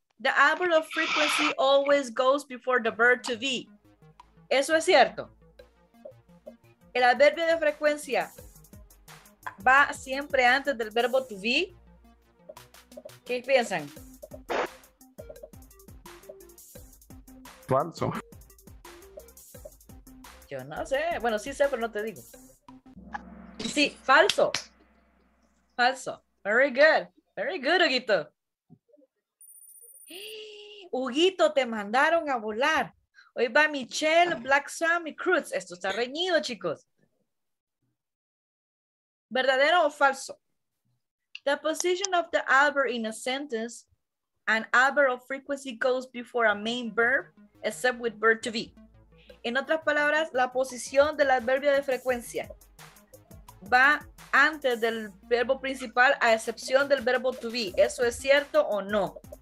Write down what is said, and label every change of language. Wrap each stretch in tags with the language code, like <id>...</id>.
<en>The adverb of frequency always goes before the verb to be.</en> <es>Eso es cierto. El adverbio de frecuencia va siempre antes del verbo to be. ¿Qué piensan? Falso. Yo no sé. Bueno, sí sé, pero no te digo. Sí, falso. Falso.</es> <en>Very good. Very good,</en> <es>Huguito. Huguito, te mandaron a volar. Hoy va Michelle, Black Sam y Cruz. Esto está reñido, chicos. ¿Verdadero o falso?</es> <en>The position of the adverb in a sentence, an adverb of frequency goes before a main verb, except with verb to be.</en> <es>En otras palabras, la posición del adverbio de frecuencia va antes del verbo principal, a excepción del verbo to be. ¿Eso es cierto o no?</es>